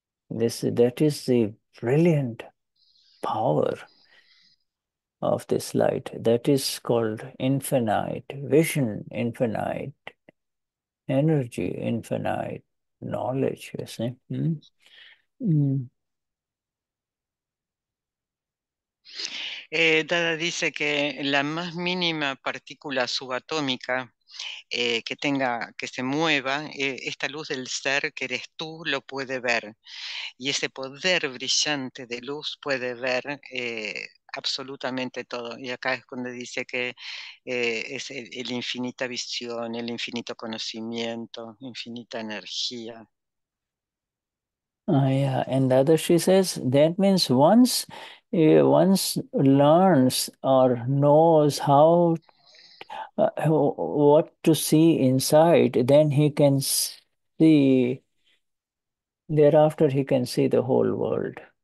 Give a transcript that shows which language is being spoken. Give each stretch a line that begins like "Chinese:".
English: That is the brilliant power of this light. That is called infinite vision, infinite energy, infinite knowledge, you see.
Spanish: Dada dice que la más mínima partícula subatómica que tenga, que se mueva, esta luz del ser que eres tú lo puede ver. Y ese poder brillante de luz puede ver absolutamente todo. Y acá es cuando dice que es el infinita visión, el infinito conocimiento, infinita energía.
English: And Dada, she says, that means once learns or knows how what to see inside, then he can see, thereafter he can see the whole world.